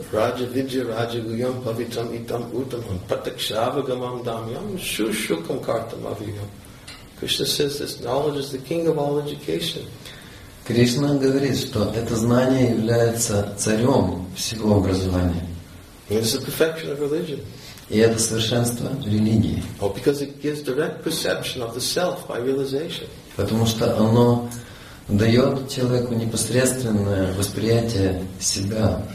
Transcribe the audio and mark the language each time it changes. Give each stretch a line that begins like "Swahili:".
Sanskrit: Раджа виджа раджа гуям павитам итам утамам патакшавагамам дамьям шушукам картам авиям.
English: Krishna says this knowledge is the king of all education.
Russian: Кришна говорит, что это знание является царем всего образования.
English: It is the perfection of religion.
Russian: И это совершенство религии.
English: Oh, because it gives direct perception of the self by realization.
Russian: Потому что оно дает человеку непосредственное восприятие себя.